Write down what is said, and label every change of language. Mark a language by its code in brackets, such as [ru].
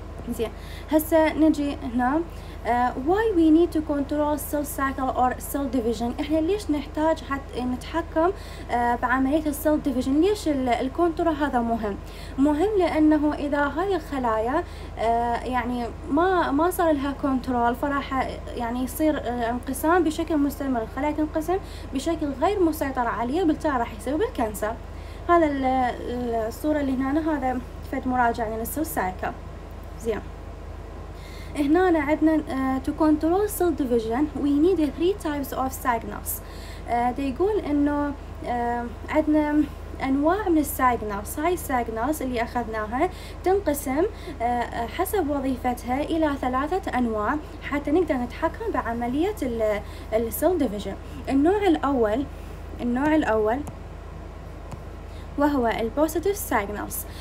[ar] زين، هسه نجي هنا [en] why we need to control cell cycle or cell division. [ar] احنا ليش نحتاج حتى نتحكم بعملية cell division؟ ليش الكنترول هذا مهم؟ مهم لانه اذا هاي الخلايا يعني ما صار لها كنترول، فراح يعني يصير انقسام بشكل مستمر، الخلايا تنقسم بشكل غير مسيطر عليه، وبالتالي راح يسبب الكانسر. هذا الصورة اللي هنا، هذا فد مراجعة للسوسايكا. زين، هنا عندنا [en] to control cell division we need three types of signals. [ar] يقول إنه عندنا أنواع من السيجنالز. هاي السيجنالز اللي أخذناها تنقسم حسب وظيفتها إلى ثلاثة أنواع حتى نقدر نتحكم بعملية السيل ديفيجن. النوع الأول وهو البوزيتيف سيجنالز.